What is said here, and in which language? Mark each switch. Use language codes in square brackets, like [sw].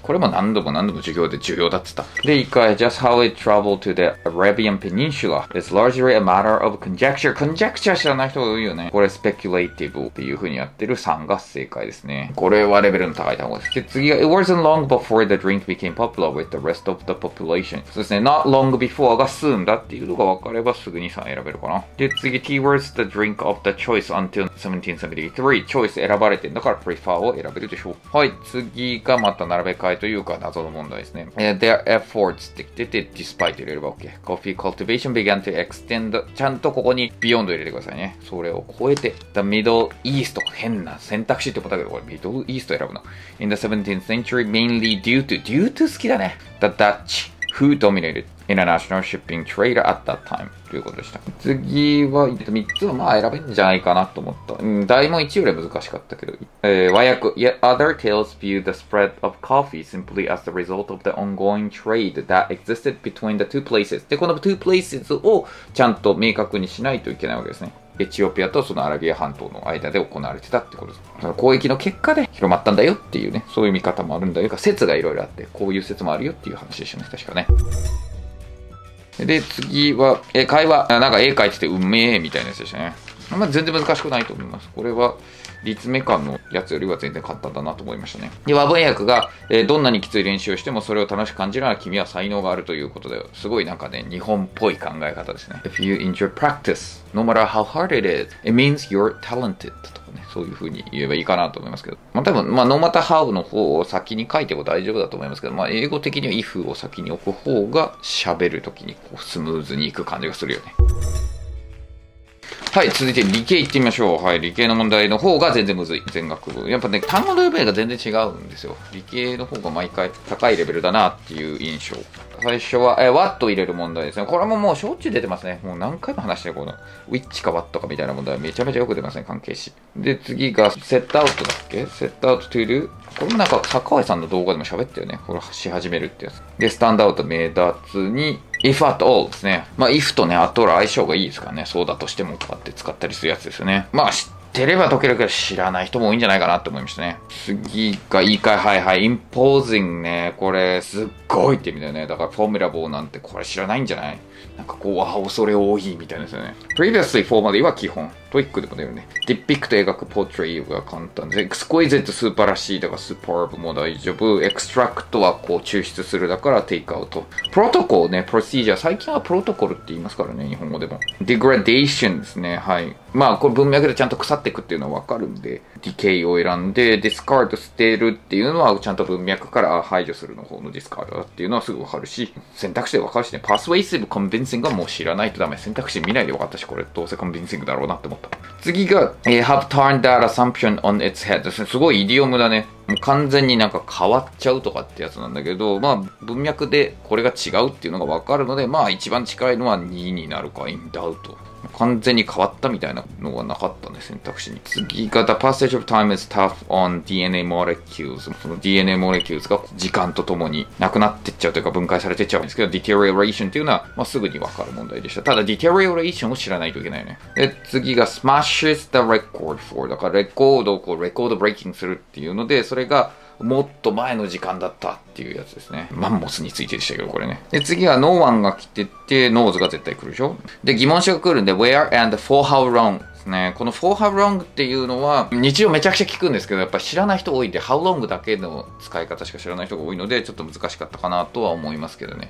[ja] これも何度も何度も授業で重要だって言った。で、一回、 [en] just how it traveled to the Arabian Peninsula is largely a matter of conjecture。 [ja] conjecture 知らない人が多いよね。これ speculative っていう風にやってる3が正解ですね。これはレベルの高い単語です。で、次が [en] it wasn't long before the drink became popular with the rest of the population. [ja] そうですね。 not long before が soon だっていうのが分かればすぐに3選べるかな。で、次、 [en] keywords the drink of the choice until 1773。 [ja] choice 選ばれてんだから prefer を選べるでしょう。はい、次がまた並べ替えというか謎の問題ですね。 their efforts って出て、despite 入れれば OK。 [en] coffee cultivation began to extend [ja] ちゃんとここに beyond 入れてくださいね。それを超えて、the middle east 変な選択肢ってことだけど、これ middle east 選ぶな。 [en] in the 17th century, mainly due to [ja] 好きだね。 [en] the Dutch, who dominated international shipping trade at that time [ja] ということでした。次は、3つはまあ選べんじゃないかなと思った。大問1より難しかったけど。和訳。 [en] Yet other tales view the spread of coffee simply as the result of the ongoing trade that existed between the two places. [ja] で、この two places をちゃんと明確にしないといけないわけですね。エチオピアとそのアラビア半島の間で行われてたってことです。その交易の結果で広まったんだよっていうね、そういう見方もあるんだよ。説がいろいろあって、こういう説もあるよっていう話でしたね、確かね。で、次は、会話。なんか絵描いててうめえみたいなやつでしたね。まあ、全然難しくないと思います。これは、立命館のやつよりは全然簡単だなと思いましたね。で、和文訳が、どんなにきつい練習をしてもそれを楽しく感じるなら君は才能があるということだよ。すごいなんかね、日本っぽい考え方ですね。 [en] If you enjoy practice, no matter how hard it is, it means you're talented [ja] とかね、そういう風に言えばいいかなと思いますけど。まあ、多分、まあ、no matter how の方を先に書いても大丈夫だと思いますけど、まあ、英語的には if を先に置く方が喋るときにこうスムーズにいく感じがするよね。はい、続いて理系いってみましょう。はい、理系の問題の方が全然むずい。全学部やっぱね、単語のレベルが全然違うんですよ。理系の方が毎回高いレベルだなっていう印象。最初は What を入れる問題ですね。これももうしょっちゅう出てますね。もう何回も話してる、この Which か What かみたいな問題めちゃめちゃよく出ますね、関係詞。で、次が Set out だっけ。Set out to do、 これもなんか坂上さんの動画でも喋ったよね、これし始めるってやつ。で、 Stand out 目立つに、if at all ですね。まあ、if とね、at all 相性がいいですからね。そうだとしてもとかって使ったりするやつですよね。まあ、知ってれば解けるけど、知らない人も多いんじゃないかなって思いましたね。次が、言い換え、はいはい。 imposing ね。これ、すっごいって意味だよね。だから、formidable なんて、これ知らないんじゃない? なんかこう、ああ、恐れ多いみたいですよね。 previously, formally は基本。トイックでも出るね。 depict 描く portray が簡単で。exquisite 素晴らしい。だから superb も大丈夫。 extract はこう抽出するだから take out。 protocol ね、procedure。最近はプロトコルって言いますからね、日本語でも。degradation ですね。はい。まあ、これ文脈でちゃんと腐っていくっていうのはわかるんで。decay を選んで、discard 捨てるっていうのはちゃんと文脈から排除するの方の discard だっていうのはすぐわかるし。選択肢でわかるしね。 persuasive convincing がもう知らないとダメ。選択肢見ないでわかったし、これどうせ convincing だろうなって。次が、 [en] have turned that assumption on its head [ja] ですね。すごいイディオムだね。もう完全になんか変わっちゃうとかってやつなんだけど、まあ文脈でこれが違うっていうのが分かるので、まあ一番近いのは2になるか、in doubt。完全に変わったみたいなのはなかったね、選択肢に。次が、 [en] the passage of time is tough on DNA molecules。 [ja] その DNA molecules が時間とともになくなってっちゃうというか分解されてっちゃうんですけど、deterioration っていうのは、まあ、すぐに分かる問題でした。ただ、deterioration を知らないといけないよね。で、次が、 [en] smashes the record for。 [ja] だから、レコードをこう、レコードブレイキングするっていうので、それが、もっと前の時間だったっていうやつですね。マンモスについてでしたけど、これね。で、次は、ノーワンが来てて、ノーズが絶対来るでしょ。で、疑問詞が来るんで、where and for how long ですね。この for how long っていうのは、日常めちゃくちゃ聞くんですけど、やっぱ知らない人多いんで、how long だけの使い方しか知らない人が多いので、ちょっと難しかったかなとは思いますけどね。